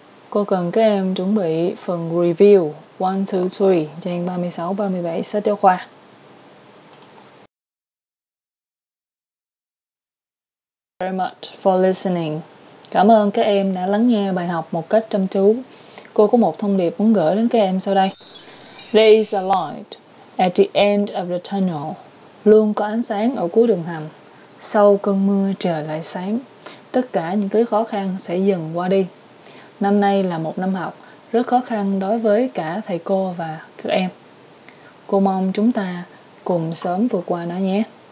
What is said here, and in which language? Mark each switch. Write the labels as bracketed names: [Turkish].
[Vietnamese] Cô cần các em chuẩn bị phần Review 1, 2, 3 trang 36-37 sách giáo khoa. [English] Thank you very much for listening. [Vietnamese] Cảm ơn các em đã lắng nghe bài học một cách chăm chú. Cô có một thông điệp muốn gửi đến các em sau đây. [English] There is a light at the end of the tunnel. [Vietnamese] Luôn có ánh sáng ở cuối đường hầm. Sau cơn mưa trời lại sáng. Tất cả những cái khó khăn sẽ dần qua đi. Năm nay là một năm học rất khó khăn đối với cả thầy cô và các em. Cô mong chúng ta cùng sớm vượt qua nó nhé.